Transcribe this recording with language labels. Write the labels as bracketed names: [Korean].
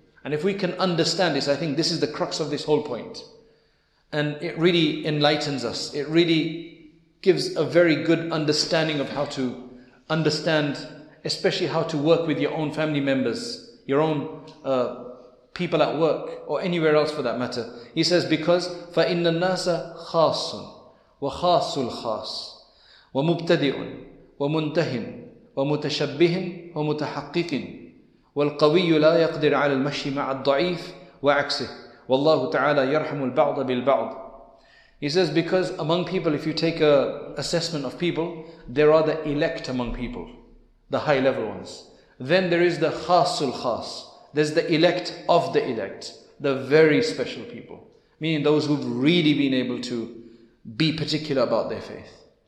[English] And if we can understand this, I think this is the crux of this whole point. And it really enlightens us. It really gives a very good understanding of how to understand, especially how to work with your own family members, your own people at work, or anywhere else for that matter. He says, because [Arabic] فَإِنَّ النَّاسَ خَاصٌ وَخَاصُ الْخَاصِ وَمُبْتَدِعٌ وَمُنْتَهِنْ وَمُتَشَبِّهٍ وَمُتَحَقِّقٍ وَالْقَوِيُّ لَا يَقْدِرْ عَلَى الْمَشْيِ مَعَ الضَّعِيفِ وَعَكْسِهِ وَاللَّهُ تَعَالَى يَرْحَمُ الْبَعْضَ بِالْبَعْضِ. [English] He says, because among people, if you take a assessment of people, there are the elect among people, the high level ones. Then there is the khasul khas. There's the elect of the elect, the very special people. Meaning those who've really been able to be particular about their faith.